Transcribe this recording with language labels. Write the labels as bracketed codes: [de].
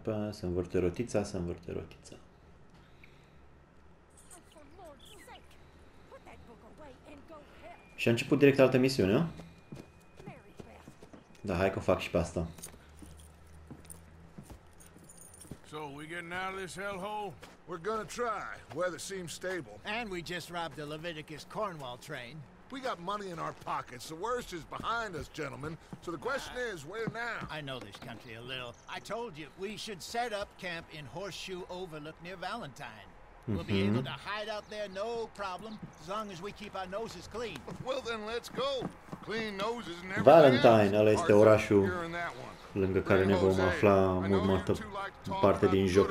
[ro] Se învârte rotița, se învârte rotița. Și a început direct altă misiune, da? Hai că fac și pe asta. [en] So we getting out of this hellhole? We're gonna try. Weather seems stable. And we just robbed the Leviticus Cornwall train. We got money in our pockets. The worst is behind us, gentlemen. So the question is, where now? I know this country a little. I told you, we should set up camp in Horseshoe Overlook near Valentine. We'll be able to hide out there no problem, as long as we keep our noses clean. Well then, let's go. Clean noses and everything. [ro] Valentine, ăla este orașul lângă care ne vom afla în următoarea parte din joc.